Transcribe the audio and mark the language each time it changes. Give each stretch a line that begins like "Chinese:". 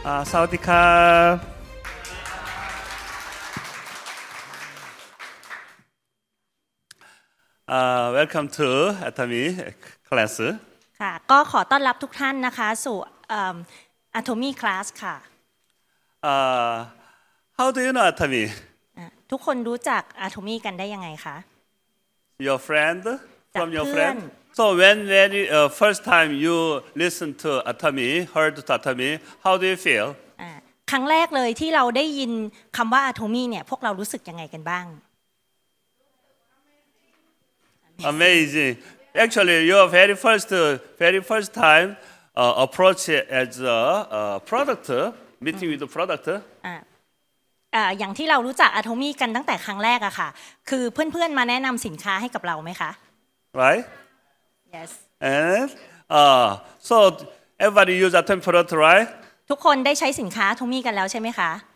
Thai: สวัสดีครับ
English: welcome to Atomy class
Thai: ค่ะก็ขอต้อนรับทุกท่านนะคะสู่Atomy class ค่ะ
English: How do you know Atomy
Thai: ทุกคนรู้จัก Atomy กันได้ยังไงคะ
English: Your friend from your friend So when first time you listen to Atomy heard to Atomy how do you feel
Thai: ครั้งแรกเลยที่เราได้ยินคำว่า Atomy เนี่ยพวกเรารู้สึกยังไงกันบ้าง
English: Amazing. Actually, your very first time approach as a product meeting with the product.
Thai: อย่างที่เรารู้จักอะโทมี่กันตั้งแต่ครั้งแรกอะค่ะคือเพื่อนๆมาแนะนำสินค้าให้กับเราไหมคะ
English: Right. Yes. And so everybody use a Atomy product, right?
Thai: ทุกคนได้ใช้สินค้าโทมี่กันแล้วใช่ไหมคะ